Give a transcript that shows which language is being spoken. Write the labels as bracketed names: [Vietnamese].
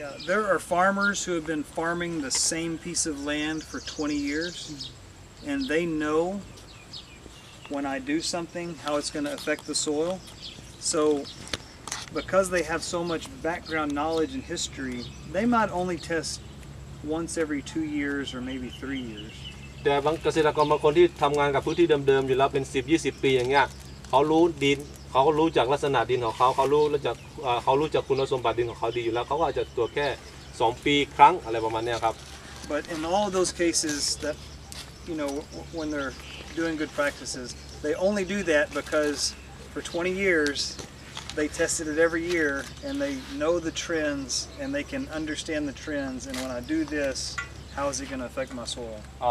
[English] there are farmers who have been farming the same piece of land for 20 years and they know when I do something how it's going to affect the soil soBecause they have so much background knowledge and history, they might only test once every 2 years or maybe 3 years. [Thai] แต่บางเกษตรกรบางคนที่ทำงานกับพื้นที่เดิมๆอยู่แล้วเป็น 10-20 ปีอย่างเงี้ยเขารู้ดินเขารู้จักลักษณะดินของเขาเขารู้จักคุณสมบัติดินของเขาดีอยู่แล้วเขาก็อาจจะตรวจแค่2ปีครั้งอะไรประมาณเนี้ยครับ [English] But in all of those cases that you know when they're doing good practices, they only do that because for 20 years. They tested it every year, and they know the trends, and they can understand the trends. And when I do this, how is it going to affect my soil?